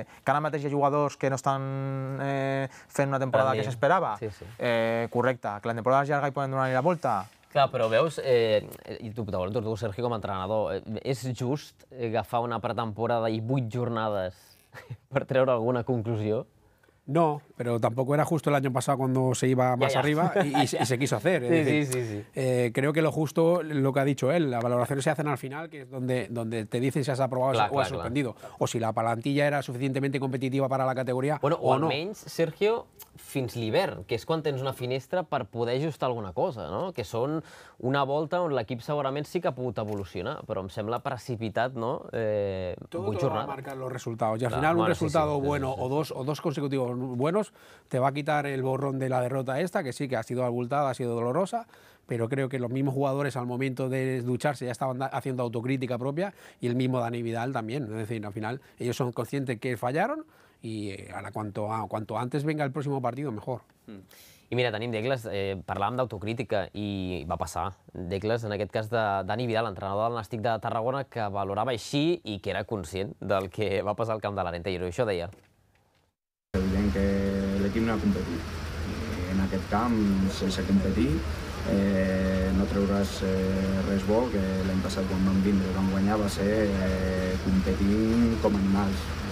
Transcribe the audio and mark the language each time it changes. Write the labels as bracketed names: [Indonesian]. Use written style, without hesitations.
[Catalan] Que ara mateix hi ha jugadors que no estan fent una temporada que s'esperava. Correcte. Que la temporada és llarga i poden donar-li la volta. Clar, però veus, i tu, de volta, tu, Sergi, com a entrenador, és just agafar una pretemporada i 8 jornades per treure alguna conclusió? [Spanish] No, pero tampoco era justo el año pasado cuando se iba más arriba y se quiso hacer. Sí, decir, sí. Creo que lo justo, lo que ha dicho él, las valoraciones se hacen al final, que es donde te dicen si has aprobado o has suspendido. O si la plantilla era suficientemente competitiva para la categoría bueno, o no. [Catalan] O almenys, Sergio, fins l'hivern, que és quan tens una finestra per poder ajustar alguna cosa, no? Que són una volta on l'equip segurament sí que ha pogut evolucionar, però em sembla precipitat, no? [Spanish] Todo va a marcar los resultados. Y al final, un resultado bueno o dos consecutivos buenos te va a quitar el borrón de la derrota esta, que sí, que ha sido abultada, ha sido dolorosa, pero creo que los mismos jugadores al momento de ducharse ya estaban haciendo autocrítica propia y el mismo Dani Vidal también. Es decir, al final, ellos son conscientes que fallaron [Catalan] i ara [Spanish] cuanto antes venga el próximo partido, mejor. [Catalan] I mira, tenim Decles, parlàvem d'autocrítica i va passar. Decles, en aquest cas de Dani Vidal, l'entrenador del Nàstic de Tarragona, que valorava així i que era conscient del que va passar al camp de l'Arenta. I això deia. És evident que l'equip no ha competit. En aquest camp, sense competir, no treuràs res bo, que l'any passat quan vam vindre, vam guanyar, va ser competint com animals.